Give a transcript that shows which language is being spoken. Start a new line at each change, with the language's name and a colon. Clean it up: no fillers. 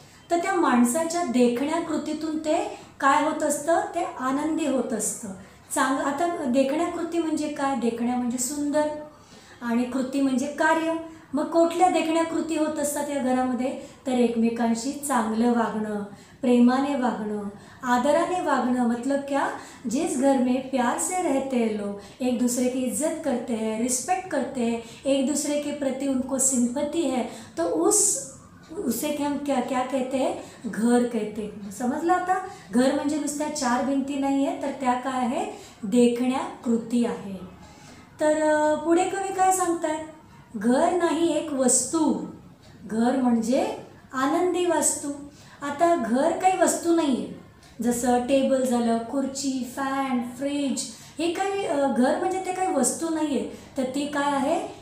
Marathi: तर त्या माणसाच्या देखण्याकृतीतून ते काय होत असतं, ते आनंदी होत असतं, चांग। आता देखण्याकृती म्हणजे काय? देखण्या म्हणजे सुंदर आणि कृती म्हणजे कार्य। मग कुठल्या देखण्याकृती होत असतात या घरामध्ये? तर एकमेकांशी चांगलं वागणं, प्रेमाने वागणं, आदराने वागणं।
Hindi: मतलब क्या? जिस घर में प्यार से रहते हैं लोग, एक दूसरे की इज्जत करते हैं, रिस्पेक्ट करते हैं, एक दूसरे के प्रति उनको सिंपति है, तो उसे के हम क्या क्या कहते हैं? घर कहते हैं। समझला था?
Marathi: घर म्हणजे नुसत्या चार भिंती नाही आहे, तर त्या काय आहे? देखण्याकृती आहे। तर पुढे कवी काय सांगताय? घर नाही एक वस्तू, घर म्हणजे आनंदी वस्तू। आता घर काही वस्तू नाही आहे, जसं टेबल झालं, खुर्ची, फॅन, फ्रीज, हे काही घर म्हणजे ते काही वस्तू नाही आहे, तर ती काय आहे?